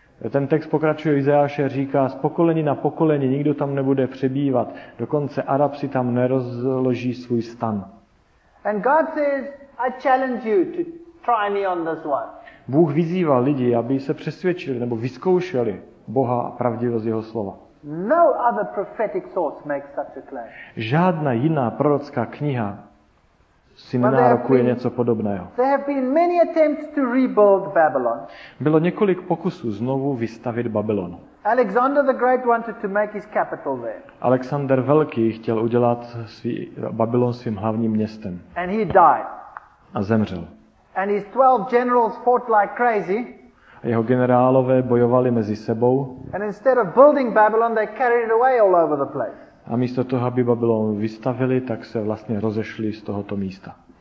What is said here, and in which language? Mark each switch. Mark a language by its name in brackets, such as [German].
[Czech] Ten text pokračuje, Izajáše říká, z pokolení na pokolení nikdo tam nebude přebývat, dokonce Arab si tam nerozloží svůj stan. [English] And God says, I challenge you to try me on this one. [Czech] Bůh vyzývá lidi, aby se přesvědčili nebo vyzkoušeli Boha a pravdivost jeho slova. [English] No other prophetic source makes such a claim. [Czech] Žádná jiná prorocká kniha si nenárokuje něco podobného. [English] There have been many attempts to rebuild Babylon. [Czech] Bylo několik pokusů znovu vystavit Babylon. [English] Alexander the Great wanted to make his capital there. [Czech] Alexander Velký chtěl udělat Babylon svým hlavním městem. [English] And he died. [Czech] A zemřel. [English] And his 12 generals fought like crazy. [Czech] A jeho generálové bojovali mezi sebou. [English] And instead of building Babylon, they carried it away all over the place. [Czech] A místo toho, aby Babylon vystavili, tak se vlastně rozešli z tohoto místa.